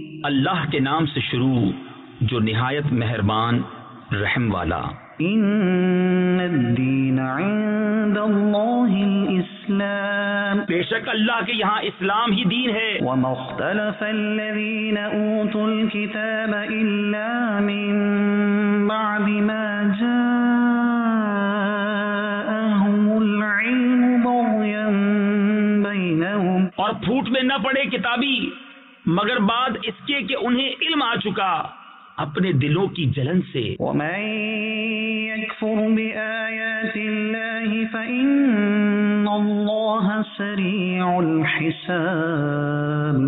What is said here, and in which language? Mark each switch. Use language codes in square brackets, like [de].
[ur] اللہ کے نام سے شروع جو نہایت مہربان رحم والا. [ar] ان الدین عند اللہ الاسلام. [ur] بے شک اللہ کے یہاں اسلام ہی دین ہے. [ar] ومختلف الذین اوتوا الكتاب الا من بعد ما جاءهم العلم بغیا بینهم. [ur] اور پھوٹ میں نہ پڑے کتابی مگر بعد اس کے کہ انہیں علم آ چکا اپنے دلوں کی جلن سے. [ar] وَمَن يَكْفُرُ بِآيَاتِ اللَّهِ فَإِنَّ اللَّهَ سَرِيعُ الْحِسَابِ.